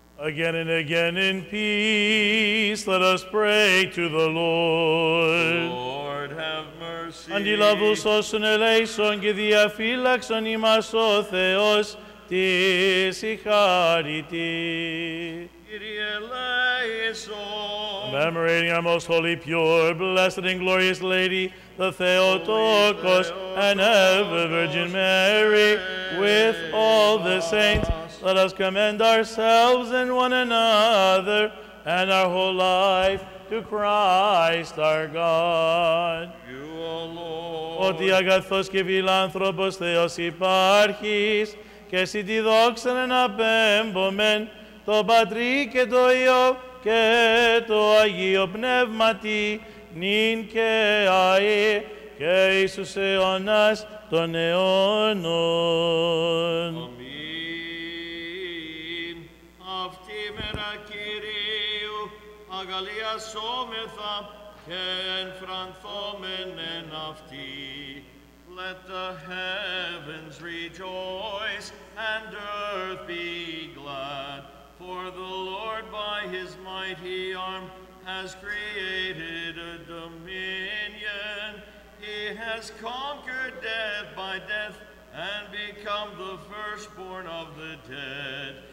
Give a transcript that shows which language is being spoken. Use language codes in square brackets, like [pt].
[en] Again and again in peace, let us pray to the Lord. Lord, have mercy. [el] Αντιλαβούς όσον ελέησον και διαφύλαξον ημάς ο Θεός, τη συγχάρητη. Κύριε ελέησον. [en] Commemorating our most holy, pure, blessed and glorious Lady, the Theotokos, and ever Virgin Mary, with all the saints, Let us commend ourselves and one another and our whole life to Christ our God. You, O Lord. [el] Ότι αγαθός και φιλάνθρωπος Θεός υπάρχεις, και εσύ τη δόξαν να πέμπομεν, το Πατρί και το Υιό και το Αγίο Πνεύματι, νυν και αΐ και εις τους αιώνας των αιώνων. Αμήν. Αυτή η μέρα Κυρίου αγαλιασόμεθα και ενφρανθόμεν εν αυτή. [en] Let the heavens rejoice and earth be glad, for the Lord by his mighty arm has created a dominion. He has conquered death by death and become the firstborn of the dead.